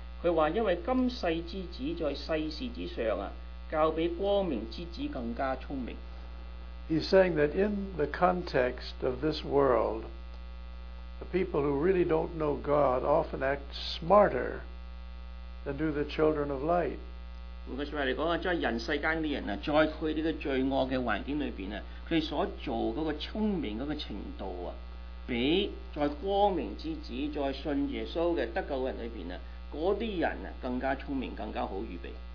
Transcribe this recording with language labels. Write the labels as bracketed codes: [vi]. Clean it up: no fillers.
[yue] 佢話：因為今世之子在世事之上啊，較比光明之子更加聰明。 [en] He's saying that in the context of this world. The people who really don't know God often act smarter than do the children of light. [yue] 我説話嚟講啊，在人世間啲人啊，在佢呢個罪惡嘅環境裏邊啊，佢哋所做嗰個聰明嗰個程度啊，比在光明之子、在信耶穌嘅得救人裏邊啊，嗰啲人啊更加聰明、更加好預備。